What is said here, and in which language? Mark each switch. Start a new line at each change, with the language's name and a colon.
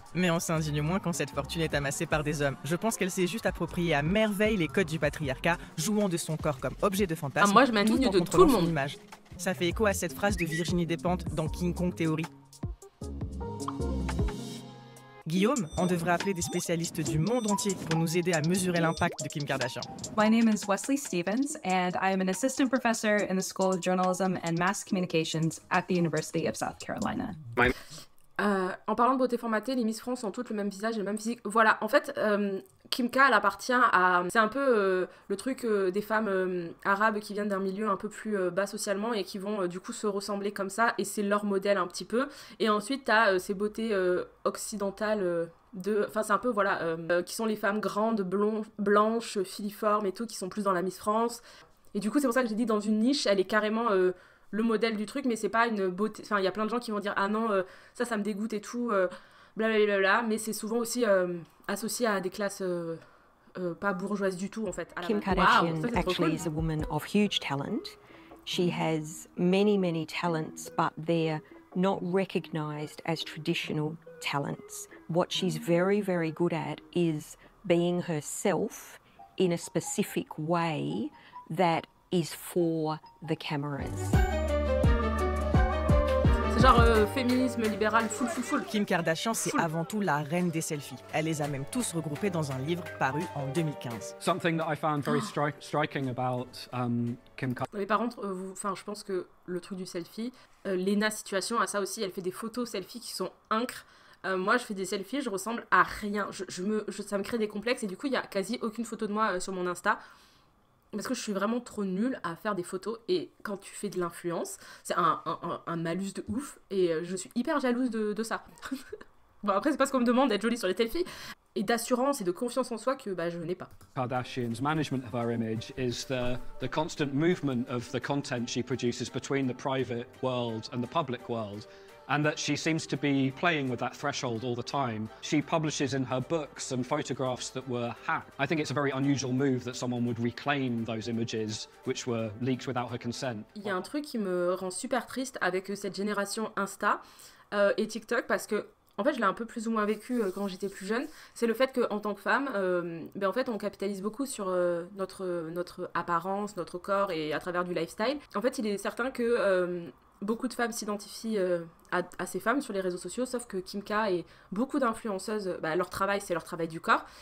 French: Mais on s'indigne moins quand cette fortune est amassée par des hommes. Je pense qu'elle s'est juste appropriée à merveille les codes du patriarcat, jouant de son corps comme objet de fantasme. Ah, moi je m'indigne de tout le monde. Image. Ça fait écho à cette phrase de Virginie Despentes dans King Kong Theory. Guillaume, on devrait appeler des spécialistes du monde entier pour nous aider à mesurer l'impact de Kim Kardashian.
English: My name is Wesley Stevens and I am an assistant professor in the School of Journalism and Mass Communications at the University of South Carolina.
French: En parlant de beauté formatée, les Miss France ont toutes le même visage et le même physique. Voilà, en fait, Kim K, elle appartient à... C'est un peu le truc des femmes arabes qui viennent d'un milieu un peu plus bas socialement et qui vont du coup se ressembler comme ça, et c'est leur modèle un petit peu. Et ensuite, t'as ces beautés occidentales de... Enfin, c'est un peu, voilà, qui sont les femmes grandes, blanches, filiformes et tout, qui sont plus dans la Miss France. Et du coup, c'est pour ça que j'ai dit dans une niche, elle est carrément... le modèle du truc, mais c'est pas une beauté... Enfin, il y a plein de gens qui vont dire « Ah non, ça me dégoûte et tout, blablabla », mais c'est souvent aussi associé à des classes pas bourgeoises du tout, en fait.
English: Kim Kardashian, wow, actually, cool. Is a woman of huge talent. She has many, many talents, but they're not recognized as traditional talents. What she's very, very good at is being herself in a specific way that is for the cameras.
French: Genre féminisme libéral, full. Kim Kardashian, c'est full. Avant tout la reine des selfies. Elle les a même tous regroupés dans un livre paru en 2015.
English: Something that I found very striking about Kim Kardashian.
French: Mais par contre, je pense que le truc du selfie, Lena Situation a ça aussi. Elle fait des photos selfies qui sont incres. Moi, je fais des selfies, je ressemble à rien. Ça me crée des complexes et du coup, il n'y a quasi aucune photo de moi sur mon Insta. Parce que je suis vraiment trop nulle à faire des photos et quand tu fais de l'influence, c'est un malus de ouf et je suis hyper jalouse de ça. Bon, après, c'est pas ce qu'on me demande d'être jolie sur les selfies et d'assurance et de confiance en soi que bah, je n'ai pas.
English: Kardashian's management of her image is the constant movement of the content she produces between the private world and the public world. And that she seems to be playing with that threshold all the time. She publishes in her books some photographs that were hacked. I think it's a very unusual move that someone would reclaim those images which were leaked without her consent.
French: Il y a un truc qui me rend super triste avec cette génération Insta et TikTok, parce que en fait, je l'ai un peu plus ou moins vécu quand j'étais plus jeune, c'est le fait qu'en tant que femme, ben, en fait, on capitalise beaucoup sur notre apparence, notre corps et à travers du lifestyle. En fait, il est certain que beaucoup de femmes s'identifient à ces femmes sur les réseaux sociaux, sauf que Kim K et beaucoup d'influenceuses, ben, leur travail, c'est leur travail du corps.